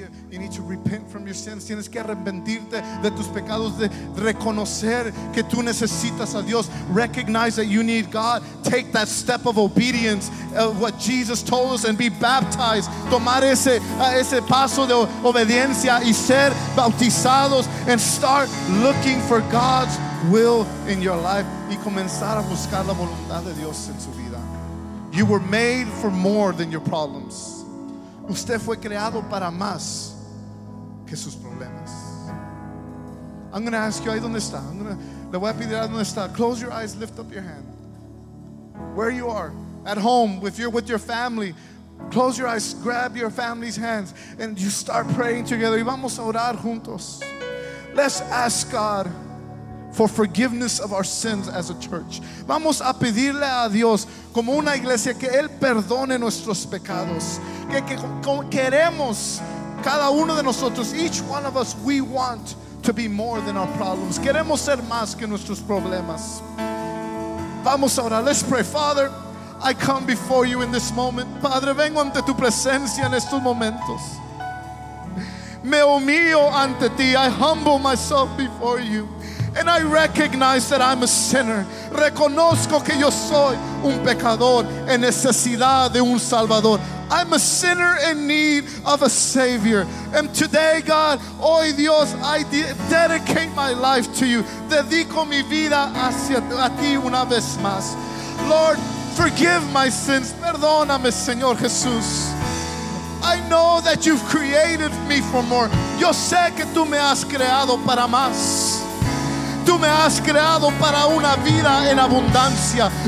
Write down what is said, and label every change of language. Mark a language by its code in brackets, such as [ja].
[en] You need to repent from your sins. [es] Tienes que arrepentirte de tus pecados, de reconocer que tú necesitas a Dios. [en] Recognize that you need God. Take that step of obedience of what Jesus told us and be baptized. [es] Tomar ese paso de obediencia y ser bautizados [en] and start looking for God's will in your life [es] y comenzar a buscar la voluntad de Dios en su vida. [en] You were made for more than your problems. [es] Usted fue creado para más que sus problemas. [en] I'm going to ask you, [es] ahí donde está. Le voy a pedir, ahí donde está. [en] Close your eyes, lift up your hand. Where you are, at home, if you're with your family, close your eyes, grab your family's hands, and you start praying together. [es] Y vamos a orar juntos. [en] Let's ask God for forgiveness of our sins as a church. [es] Vamos a pedirle a Dios como una iglesia que Él perdone nuestros pecados. Que queremos cada uno de nosotros, [en] each one of us, we want to be more than our problems. [es] Queremos ser más que nuestros problemas. Vamos a orar. [en] Let's pray. Father, I come before you in this moment. [es] Padre, vengo ante tu presencia en estos momentos. Me humillo ante ti. [en] I humble myself before you. And I recognize that I'm a sinner. [es] Reconozco que yo soy un pecador en necesidad de un salvador. [en] I'm a sinner in need of a Savior. And today, God, [es] hoy Dios, [en] I dedicate my life to you. [es] Dedico mi vida hacia a ti una vez más. [en] Lord, forgive my sins. [es] Perdóname, Señor Jesús. [en] I know that you've created me for more. [es] Yo sé que tú me has creado para más. Tú me has creado para una vida en abundancia.